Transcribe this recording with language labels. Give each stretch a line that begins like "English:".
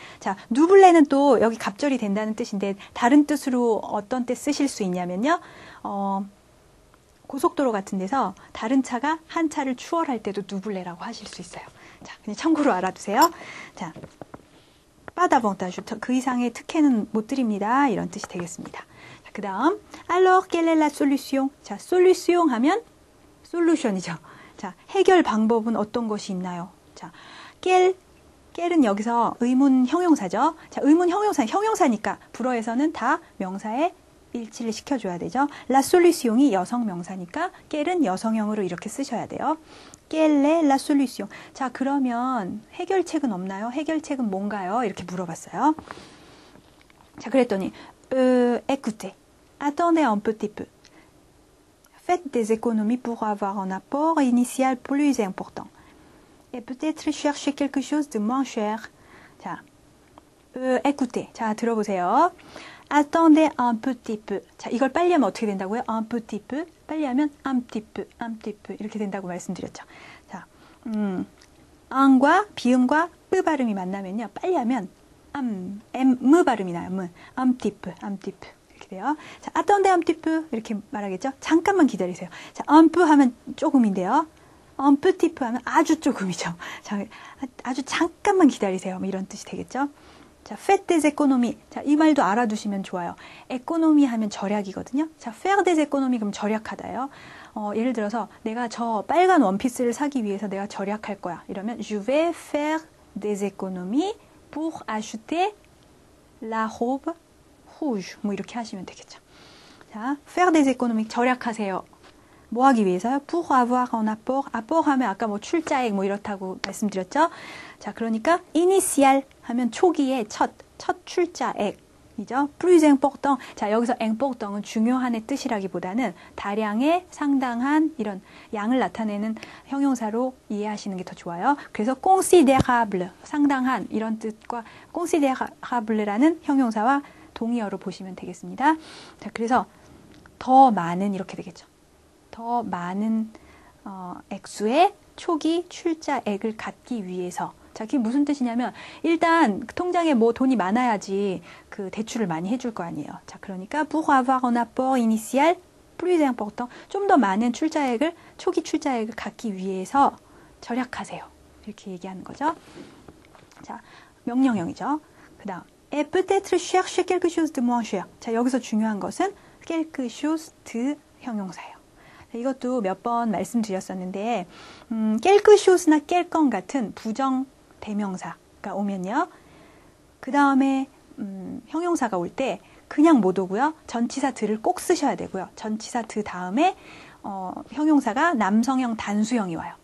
Korean: 자, 누블레는 또 여기 갑절이 된다는 뜻인데 다른 뜻으로 어떤 때 쓰실 수 있냐면요. 고속도로 같은 데서 다른 차가 한 차를 추월할 때도 누블레라고 하실 수 있어요. 자, 그냥 참고로 알아두세요. 자, 빠다봉따슈. 그 이상의 특혜는 못 드립니다. 이런 뜻이 되겠습니다. 자, 그 다음,
French: alors, quelle est la solution?
Korean: 자, solution 하면, solution이죠. 자, 해결 방법은 어떤 것이 있나요? 자, quelle은 여기서 의문 형용사죠. 자, 의문 형용사, 형용사니까, 불어에서는 다 명사에 일치를 시켜줘야 되죠. La solution이 여성 명사니까 quelle은 여성형으로 이렇게 쓰셔야 돼요.
French: Quelle est la solution?
Korean: 자, 그러면 해결책은 없나요? 해결책은 뭔가요? 이렇게 물어봤어요. 자, 그랬더니
French: écoutez, attendez un petit peu. Faites des économies pour avoir un apport initial plus important. Et peut-être cherchez quelque chose de moins cher. 자, écoutez.
Korean: 자, 들어보세요.
French: Attendez un petit peu.
Korean: 자, 이걸 빨리 하면 어떻게 된다고요?
French: Un petit peu.
Korean: 빨리 하면
French: un petit peu, un petit peu.
Korean: 이렇게 된다고 말씀드렸죠. 자, un과 비음과 ᄃ 발음이 만나면요. 빨리 하면 m 발음이 나요.
French: un petit peu, un petit peu.
Korean: 이렇게 돼요. 자,
French: attendez un petit peu.
Korean: 이렇게 말하겠죠. 잠깐만 기다리세요. 자, un peu 하면 조금인데요. un petit peu 하면 아주 조금이죠. 자, 아주 잠깐만 기다리세요. 뭐 이런 뜻이 되겠죠. 자,
French: faire des économies.
Korean: 자, 이 말도 알아두시면 좋아요. économie 하면 절약이거든요. 자, faire des économies 그럼 절약하다요. 예를 들어서 내가 저 빨간 원피스를 사기 위해서 내가 절약할 거야. 이러면
French: je vais faire des économies pour acheter la robe rouge.
Korean: 뭐 이렇게 하시면 되겠죠. 자,
French: faire des économies
Korean: 절약하세요. 뭐 하기 위해서요?
French: pour avoir un apport.
Korean: apport 하면 아까 뭐 출자액 뭐 이렇다고 말씀드렸죠. 자, 그러니까 initial 하면 초기에 첫 출자액이죠.
French: plus important.
Korean: 자, 여기서 important은 중요한의 뜻이라기보다는 다량의 상당한 이런 양을 나타내는 형용사로 이해하시는 게 더 좋아요. 그래서 considerable 상당한 이런 뜻과 considerable라는 형용사와 동의어로 보시면 되겠습니다. 자, 그래서 더 많은 이렇게 되겠죠. 더 많은 액수의 초기 출자액을 갖기 위해서. 자, 그게 무슨 뜻이냐면 일단 통장에 뭐 돈이 많아야지 그 대출을 많이 해줄 거 아니에요. 자, 그러니까
French: pour avoir un apport initial plus important
Korean: 좀 더 많은 출자액을 초기 출자액을 갖기 위해서 절약하세요. 이렇게 얘기하는 거죠. 자, 명령형이죠. 그다음
French: et peut-être chercher quelque chose de moins cher.
Korean: 자, 여기서 중요한 것은
French: quelque chose de
Korean: 형용사예요. 이것도 몇번 말씀드렸었는데, quelque chose나 quelqu'un 같은 부정 대명사가 오면요. 그 다음에 형용사가 올때 그냥 못 오고요. 전치사 드를 꼭 쓰셔야 되고요. 전치사 드 다음에 형용사가 남성형 단수형이 와요.